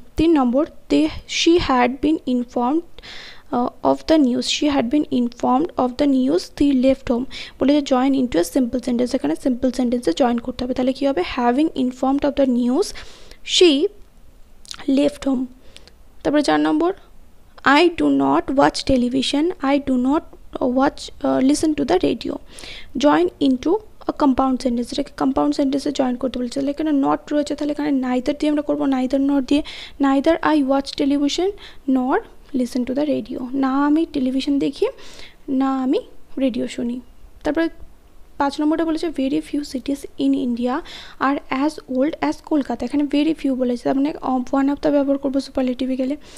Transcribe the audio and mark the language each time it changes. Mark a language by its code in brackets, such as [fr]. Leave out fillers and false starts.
[en] 3 নম্বর, the she had been informed of the news, she had been informed of the news the left home, বলেছে join into a simple sentence, [bn] এখানে simple সেন্টেন্সে join করতে হবে, তাহলে কী হবে, [en] Having informed of the news she left home. [bn] তারপরে 4 নম্বর, [en] I do not watch television, I do not watch, listen to the radio. Join into a compound sentence, [bn] এটাকে compound সেন্টেন্সে join করতে বলেছে, তাহলে এখানে নট রয়েছে, তাহলে এখানে নাইদার দিয়ে আমরা করবো, নাইদার নট দিয়ে, [en] neither I watch television nor listen to the radio, [bn] না আমি টেলিভিশন দেখি না আমি রেডিও শুনি। তারপরে পাঁচ নম্বরটা বলেছে [en] very few cities in India are as old as Kolkata, [bn] এখানে ভেরি ফিউ বলেছে, তার মানে ওয়ান অফ দ্য ব্যবহার করবো সুপারলেটিভে গেলে।